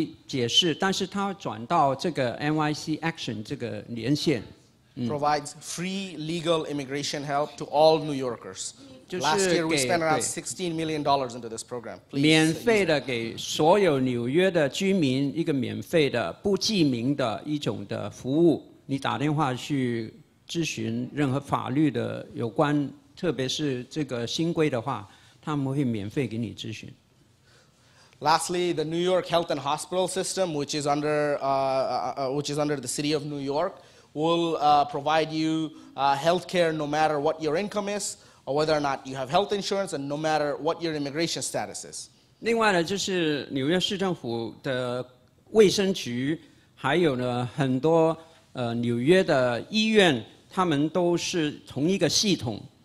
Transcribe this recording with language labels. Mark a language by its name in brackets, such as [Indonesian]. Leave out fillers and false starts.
[Chinese] 就是转到这个部门去给你作答，他不是三一三一不是，自己解释，但是他转到这个 NYC Action 这个连线。 [English] Provides free legal immigration help to all New Yorkers. Last year we spent around $16 million into this program. [Chinese] 免费的给所有纽约的居民一个免费的不记名的一种的服务，你打电话去咨询任何法律的有关。特别是这个新规的话，他们会免费给你咨询。 [English] Lastly, the New York Health and Hospital System, which is under the City of New York, will provide you healthcare no matter what your income is, or whether or not you have health insurance, and no matter what your immigration status is. [Chinese] 另外呢，就是纽约市政府的卫生局，还有呢很多纽约的医院，他们都是同一个系统。